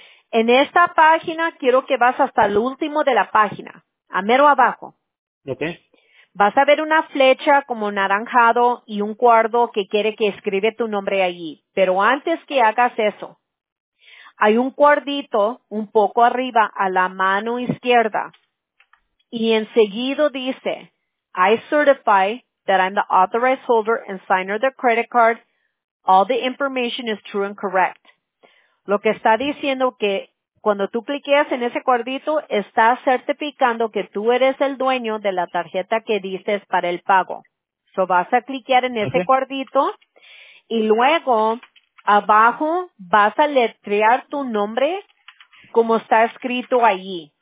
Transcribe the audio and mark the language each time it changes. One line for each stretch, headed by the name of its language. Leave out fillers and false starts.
Spanish: En esta página, quiero que vas hasta el último de la página, a mero abajo. Ok. Vas a ver una flecha como naranjado y un cuadro que quiere que escribe tu nombre allí. Pero antes que hagas eso, hay un cuadrito un poco arriba a la mano izquierda. Y enseguido dice,
English: I certify that I'm the authorized holder and signer of the credit card. All the information is true and correct.
Spanish: Lo que está diciendo que cuando tú cliqueas en ese cuadrito, está certificando que tú eres el dueño de la tarjeta que dices para el pago. So vas a cliquear en ese cuadrito y luego abajo vas a letrear tu nombre como está escrito allí.